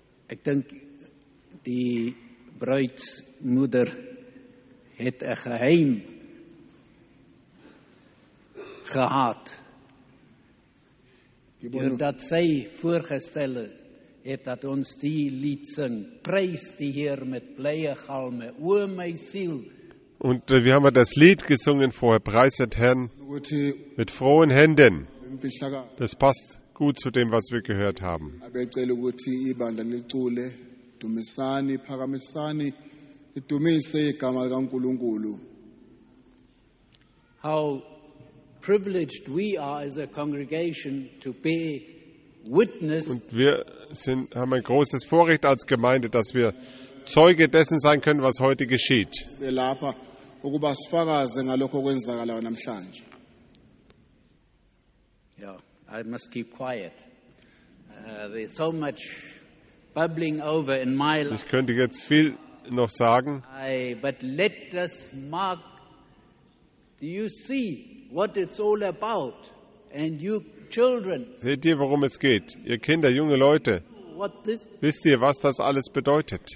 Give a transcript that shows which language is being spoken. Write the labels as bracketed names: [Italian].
[Afrikaans] Ek dink die bruidsmoeder het 'n geheim gehad. Omdat sy voorgestel het dat ons die lied sing, prys die Heer met blye galme, o my siel. [German] Und wir haben das Lied gesungen vorher, preiset Herrn mit frohen Händen. Das passt gut zu dem, was wir gehört haben. [English] How privileged we are as a congregation to be [German] Und wir haben ein großes Vorrecht als Gemeinde, dass wir Zeuge dessen sein können, was heute geschieht. [English] Yeah, I must keep quiet. There's so much bubbling over in my life. [German] Ich könnte jetzt viel noch sagen. [English] But let us mark. Do you see what it's all about? And you children. [German] Seht ihr, worum es geht? Ihr Kinder, junge Leute. Wisst ihr, was das alles bedeutet?